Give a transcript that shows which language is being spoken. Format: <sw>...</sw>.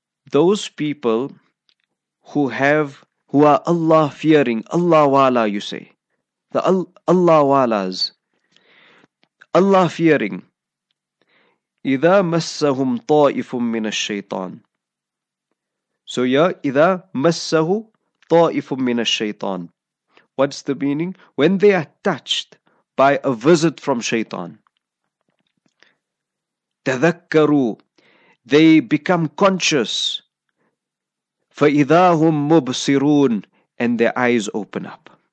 <en>Those people who are Allah fearing, Allah wala, you say, the Allah walas, Allah fearing,</en> <ar>إِذَا مَسَّهُمْ طَائِفٌ مِّنَ الشَّيْطَانِ.</ar> <en>So yeah,</en> <ar>إِذَا مَسَّهُ طَائِفٌ مِّنَ الشَّيْطَانِ.</ar> <en>What's the meaning? When they are touched by a visit from shaitan,</en> <ar>تذكروا,</ar> <en>they become conscious,</en> <ar>فَإِذَا هُمْ مُبْصِرُونَ,</ar> <en>and their eyes open up.</en>